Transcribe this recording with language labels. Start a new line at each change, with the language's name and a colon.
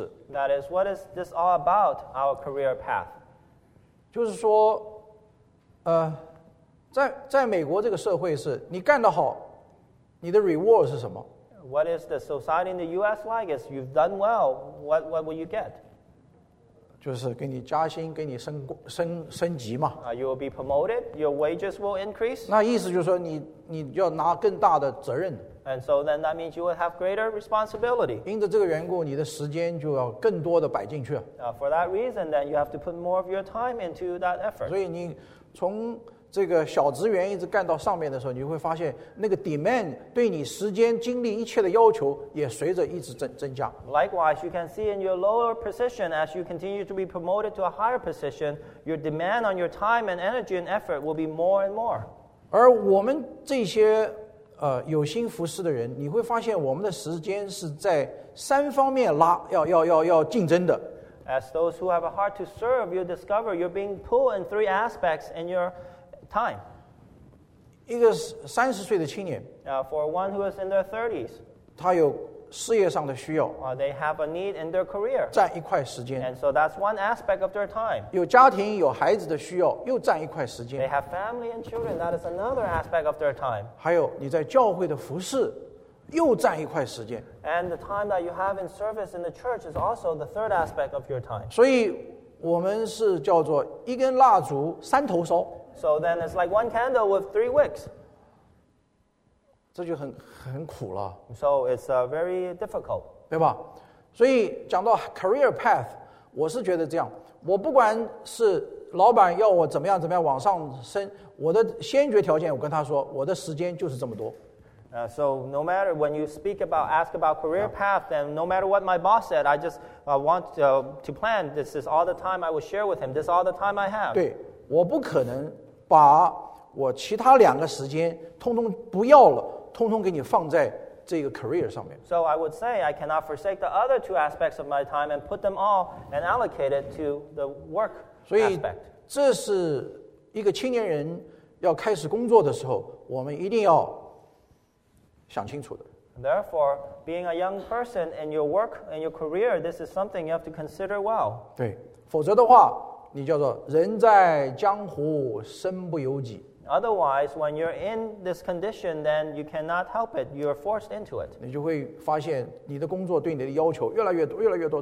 English: That is, what is this all about, our career path?
Chinese: 就是说, 在美国这个社会是你干得好, 你的reward是什么?
English: What is the society in the U.S. like? If you've done well, what will you get?
Chinese: 就是给你加薪，给你 升级嘛。
English: You will be promoted, your wages will increase.
Chinese: 那意思就是说你要拿更大的责任。
English: And so then that means you will have greater responsibility.
Chinese: 因着这个缘故，你的时间就要更多的摆进去。
English: For that reason, then you have to put more of your time into that effort.
Chinese: 所以你从这个小职员一直干到上面的时候，你会发现那个 demand 对你时间精力一切的要求也随着一直 增加。
English: Likewise, you can see in your lower position as you continue to be promoted to a higher position, your demand on your time and energy and effort will be more and more.
Chinese: 而我们这些有心服侍的人，你会发现我们的时间是在三方面拉，要竞争的。
English: As those who have a heart to serve, you discover you're being pulled in three aspects in your time.
Chinese: 一个三十岁的青年，
English: for one who is in their 30s,
Chinese: 他有事业上的需要，
English: they have a need in their career,
Chinese: 占一块时间，
English: and so that's one aspect of their time.
Chinese: 有家庭有孩子的需要，又占一块时间，
English: they have family and children, that is another aspect of their time.
Chinese: 还有你在教会的服事，又占一块时间，
English: and the time that you have in service in the church is also the third aspect of your time.
Chinese: 所以我们是叫做一根蜡烛三头烧。
English: So then it's like one candle with three wicks.
Chinese: 这就很苦了。
English: So it's very difficult.
Chinese: 对吧？所以讲到 career path, 我是觉得这样，我不管是老板要我怎么样往上升，我的先决条件我跟他说，我的时间就是这么多。
English: So no matter when you ask about career path, then no matter what my boss said, I just want to plan. This is all the time I will share with him. This is all the time I have.
Chinese: 对。我不可能把我其他两个时间通通不要了，通通给你放在这个 career 上面。
English: So I would say I cannot forsake the other two aspects of my time and put them all and allocate it to the work aspect.
Chinese: 所以这是一个青年人要开始工作的时候，我们一定要想清楚的。
English: Therefore, being a young person in your work and your career, this is something you have to consider well.
Chinese: 对，否则的话你叫做人在江湖身不由己。
English: Otherwise, when you're in this condition, then you cannot help it. You're forced into it.
Chinese: 你就会发现你的工作对你的要求越来越多，越来越多。